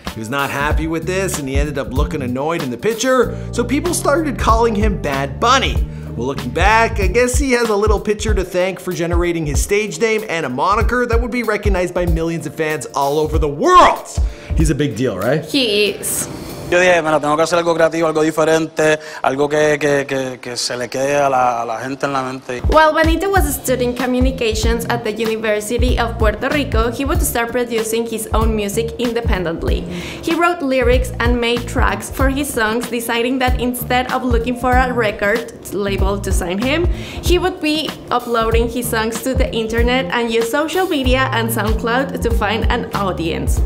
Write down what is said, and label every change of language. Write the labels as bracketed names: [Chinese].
[English] He was not happy with this, and he ended up looking annoyed in the picture, so people started calling him Bad Bunny. Well, looking back, I guess he has a little picture to thank for generating his stage name and a moniker that would be recognized by millions of fans all over the world. He's a big deal, right? He is. [Spanish] Yo dije, bueno, tengo que hacer algo creativo, algo diferente, algo que se le quede a la gente en la mente. [English] While Benito was studying communications at the University of Puerto Rico, he would start producing his own music independently. He wrote lyrics and made tracks for his songs, deciding that instead of looking for a record label to sign him, he would be uploading his songs to the internet and use social media and SoundCloud to find an audience.